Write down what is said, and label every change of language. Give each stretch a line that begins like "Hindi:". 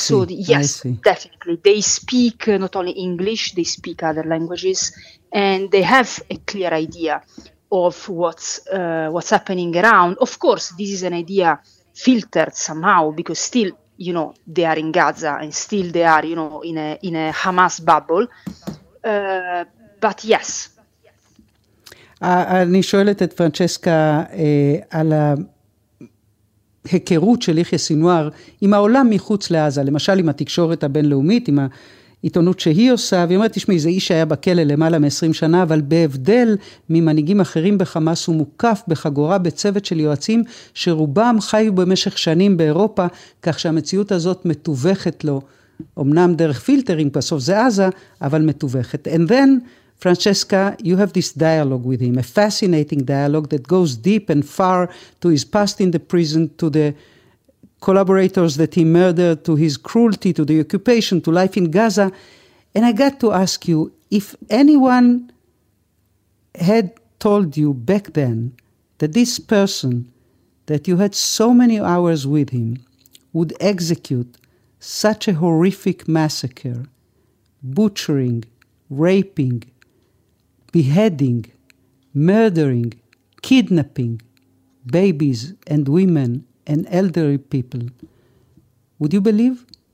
English: So yes, definitely. They speak not only English, they speak other languages, and they have a clear idea of what's happening around. Of course, this is an idea filtered somehow, because still, you know, they are in Gaza and still they are, you know, in a Hamas bubble. But yes.
Hebrew: אני שואלת את פרנצ'סקה על היכרות של יחיא סינואר עם העולם מחוץ לעזה, למשל עם התקשורת הבינלאומית, עם העיתונות שהיא עושה, והיא אומרת, תשמעי, זה איש שהיה בכלא למעלה מ-20 שנה, אבל בהבדל ממנהיגים אחרים בחמאס, הוא מוקף בחגורה בצוות של יועצים, שרובם חיו במשך שנים באירופה, כך שהמציאות הזאת מתווכת לו, אמנם דרך פילטרים, בסוף זה עזה, אבל מתווכת.
English: And then, Francesca, you have this dialogue with him, a fascinating dialogue that goes deep and far to his past in the prison, to the collaborators that he murdered, to his cruelty, to the occupation, to life in Gaza. And I got to ask you, if anyone had told you back then that this person, that you had so many hours with him, would execute such a horrific massacre, butchering, raping, beheading, murdering, kidnapping babies and women and elderly people, would you believe?